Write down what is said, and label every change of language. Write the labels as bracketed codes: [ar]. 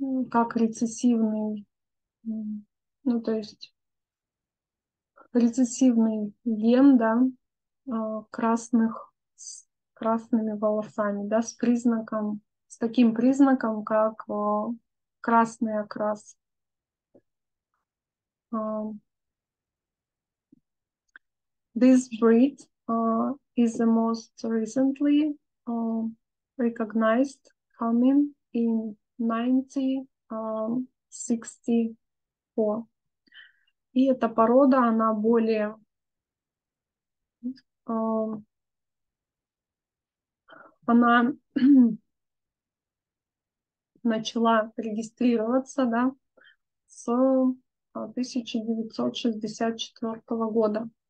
[ru] как рецессивный, ну, то есть рецессивный ген, да, с красными волосами, да, с таким признаком, как красный окрас. [en] This breed is the most recently recognized coming in 1964. [ru] И эта порода, она более она начала регистрироваться, да, с 1964 года.